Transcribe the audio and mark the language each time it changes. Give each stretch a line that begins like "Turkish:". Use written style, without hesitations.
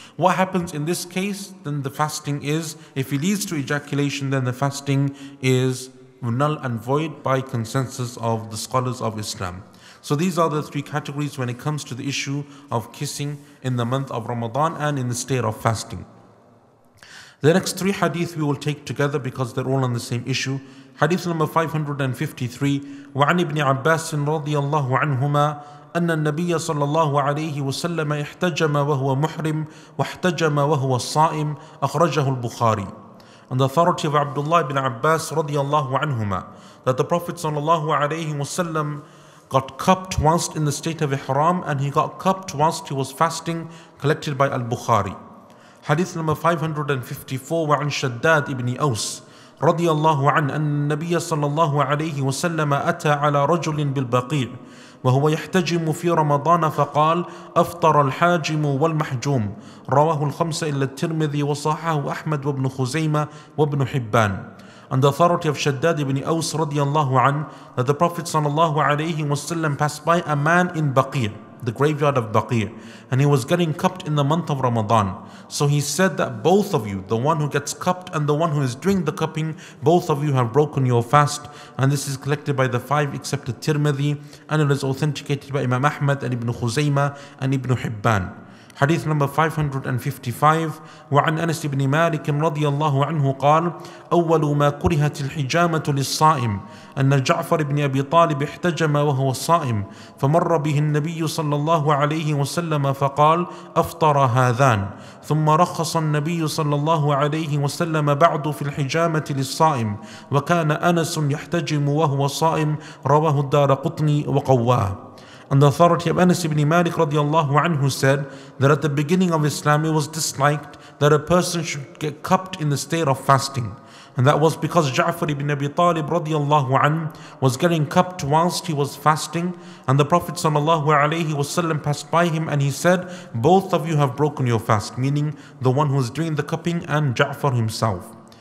English: What happens in this case? Then the fasting is, if it leads to ejaculation, then the fasting is null and void by consensus of the scholars of Islam. So these are the three categories when it comes to the issue of kissing in the month of Ramadan and in the state of fasting. The next three hadith we will take together because they're all on the same issue. Hadith number 553.
Arabic: وعن ابن عباس رضي الله عنهما أن النبي صلى الله عليه وسلم احتجم وهو محرم واحتجم وهو صائم أخرجه البخاري.
English: on the authority of Abdullah ibn Abbas radiyallahu anhuma, that the Prophet sallallahu alayhi wasallam got cupped whilst in the state of ihram, and he got cupped whilst he was fasting, collected by al-Bukhari. Hadith number 554,
Arabic: wa an Shaddad ibn Aws radiyallahu an, an nabiyya sallallahu alayhi wasallam ata ala rajulin bil baqi' وهو يحتجم في رمضان فقال أفطر الحاجم والمحجوم رواه الخمسة إلا الترمذي وصححه أحمد وابن خزيمة وابن حبان.
English: And the authority of Shaddad ibn Aws radiyallahu an, that the Prophet sallallahu alayhi wasallam passed by a man in Baqir, the graveyard of Baqir, and he was getting cupped in the month of Ramadan. So he said that both of you, the one who gets cupped and the one who is doing the cupping, both of you have broken your fast. And this is collected by the five except the Tirmidhi, and it is authenticated by Imam Ahmad and Ibn Khuzaymah and Ibn Hibban. Hadith number 555,
Arabic: وعن أنس بن مالك رضي الله عنه قال أول ما كرهت الحجامة للصائم أن جعفر بن أبي طالب احتجم وهو صائم فمر به النبي صلى الله عليه وسلم فقال أفطر هذان ثم رخص النبي صلى الله عليه وسلم بعد في الحجامة للصائم وكان أنس يحتجم وهو صائم رواه الدارقطني وقواه.
English: And the authority of Anas ibn Malik radiallahu anhu said that at the beginning of Islam it was disliked that a person should get cupped in the state of fasting. And that was because Ja'far ibn Abi Talib radiallahu anhu was getting cupped whilst he was fasting, and the Prophet sallallahu alayhi wasallam passed by him and he said, both of you have broken your fast, meaning the one who is doing the cupping and Ja'far himself.